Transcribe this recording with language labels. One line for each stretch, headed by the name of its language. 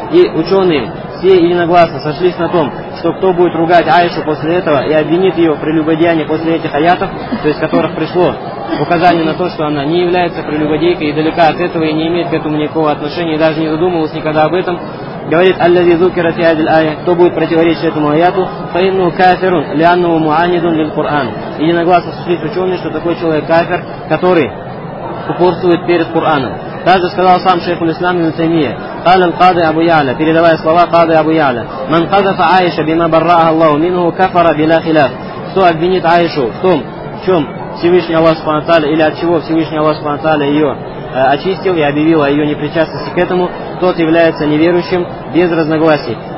Russian: И ученые все единогласно сошлись на том, что кто будет ругать Аишу после этого и обвинит ее в прелюбодеянии после этих аятов, то есть которых пришло указание на то, что она не является прелюбодейкой и далека от этого, и не имеет к этому никакого отношения, и даже не задумывалась никогда об этом, говорит
Arabic: «Аллази зукира фи хазиль ая»,
Russian: кто будет противоречить этому аяту,
Arabic: «Фаинну кафирун лианну муанидун лил Куран».
Russian: Единогласно сошлись ученые, что такой человек кафир, который упорствует перед Кораном. Также сказал сам шейх Ислам ибн Таймия,
Arabic: قال القاضي أبو يعلى في رواية صلاة قاضي أبو يعلى: من قذف عائشة بما برأها الله منه كفر بلا خلاف.
Russian: Кто обвинит Аишу в том, в чем Всевышний Аллах Субхану Тааля, или от чего Всевышний Аллах Субхану Тааля ее очистил и объявил о ее непричастности к этому, тот является неверующим без разногласий.